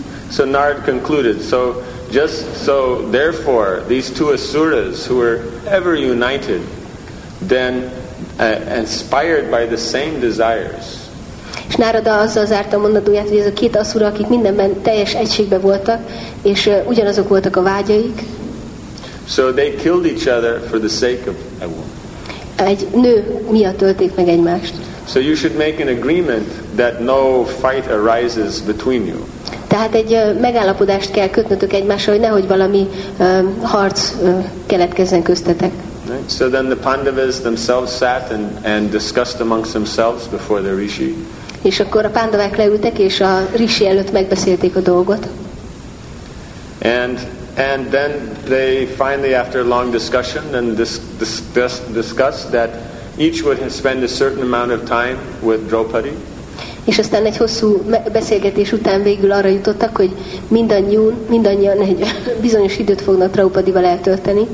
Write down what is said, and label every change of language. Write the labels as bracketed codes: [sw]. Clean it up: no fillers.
[en] So Narad concluded, so just so therefore these two asuras who were ever united then inspired by the same desires. [hu] És Narada azzal zárta a mondatóját, hogy ez a két asura, akik mindenben teljes egységben voltak, és ugyanazok voltak a vágyaik. [en] So they killed each other for the sake of a woman. [hu] Egy nő miatt ölték meg egymást. [en] So you should make an agreement that no fight arises between you. [hu] Tehát egy megállapodást kell kötnötök egymással, hogy nehogy valami harc keletkezzen köztetek. [en] Right. So then the Pandavas themselves sat and discussed amongst themselves before the Rishi. [hu] És akkor a Pandavák leültek, és a Rishi előtt megbeszélték a dolgot. [en] And then they finally, after a long discussion, then discussed that each would spend a certain amount of time with Draupadi. [hu] És aztán egy hosszú beszélgetés után végül arra jutottak, hogy mindannyian egy bizonyos időt fognak Draupadival eltölteni.